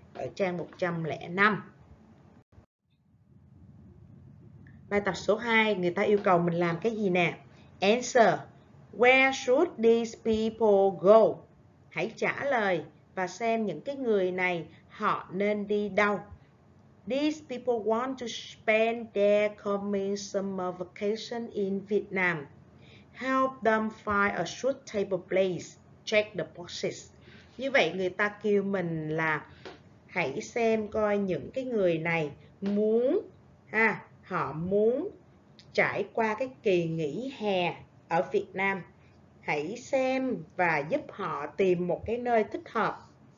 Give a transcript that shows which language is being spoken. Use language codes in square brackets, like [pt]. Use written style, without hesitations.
[vi] Ở trang 105. Bài tập số 2, người ta yêu cầu mình làm cái gì nè? Answer. [en] Where should these people go? [vi] Hãy trả lời và xem những cái người này họ nên đi đâu. [en] These people want to spend their coming summer vacation in Vietnam. Help them find a suitable place. Check the boxes. [vi] Như vậy người ta kêu mình là hãy xem coi những cái người này muốn họ muốn trải qua cái kỳ nghỉ hè ở Việt Nam. Hãy xem và giúp họ tìm một cái nơi thích hợp.